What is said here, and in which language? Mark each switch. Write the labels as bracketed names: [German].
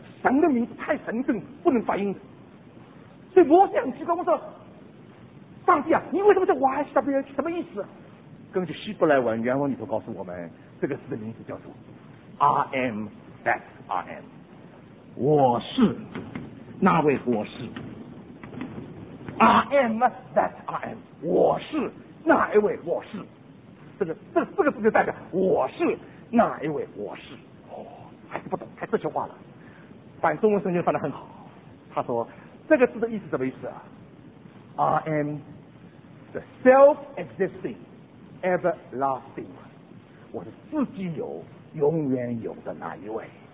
[Chinese] 神的名字太神圣，不能发音的。所以摩西很奇怪，我说：“上帝啊，你为什么叫 YHWH？什么意思？” 根据希伯来文原文里头告诉我们，这个字的名字叫做 [English] “I am that I am”， [Chinese] 我是那位我是， [English] “I am that I am”， [Chinese] 我是那一位我是。这个字就代表我是哪一位？我是哦，还是不懂，还这些话了。反中文圣经翻得很好，他说这个字的意思什么意思啊 ？ [English] I am the self-existing everlasting， [Chinese] 我是自己有永远有的那一位。